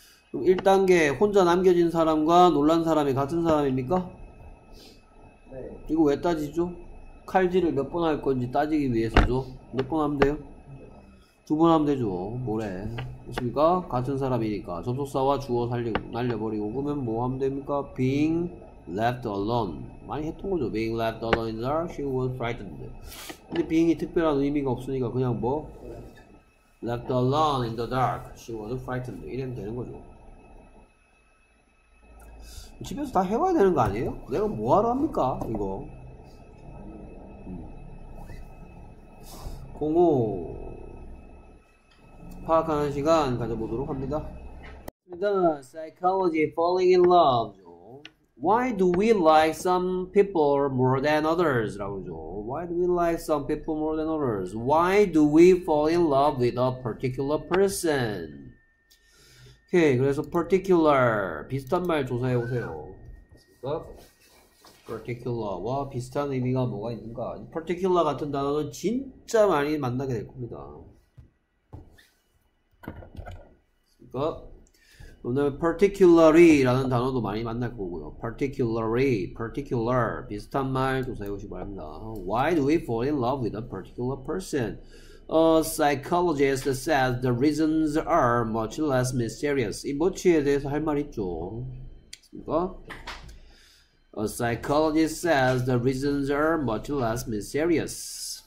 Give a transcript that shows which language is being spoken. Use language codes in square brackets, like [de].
[ko] 그럼 1단계 혼자 남겨진 사람과 놀란 사람이 같은 사람입니까? 이거 왜 따지죠? 칼질을 몇번할 건지 따지기 위해서죠. 몇번 하면 돼요? 두번 하면 되죠. 뭐래. 그렇습니까? 같은 사람이니까. 접속사와 주어 날려버리고. 그러면 뭐 하면 됩니까? [en] Being left alone. [ko] 많이 했던 거죠. [en] Being left alone in the dark, she was frightened. [ko] 근데 being이 특별한 의미가 없으니까 그냥 뭐? [en] Left alone in the dark, she was frightened. [ko] 이러면 되는 거죠. 집에서 다 해봐야 되는 거 아니에요? 내가 뭐하러 합니까? 이거. 05. 파악하는 시간 가져보도록 합니다. [en] The psychology falling in love. Why do we like some people more than others? [ko] 라고죠. [en] Why do we like some people more than others? Why do we fall in love with a particular person? [ko] Okay, 그래서 particular. 비슷한 말 조사해 보세요. Particular와 비슷한 의미가 뭐가 있는가? Particular 같은 단어는 진짜 많이 만나게 될 겁니다. 오늘 particularly라는 단어도 많이 만날 거고요. Particularly, particular 비슷한 말 조사해 보시기 바랍니다. [en] Why do we fall in love with a particular person? A psychologist says the reasons are much less mysterious. [ko] 이 뭐지에 대해서 할말 있죠. 그러니까 [en] A psychologist says the reasons are much less mysterious.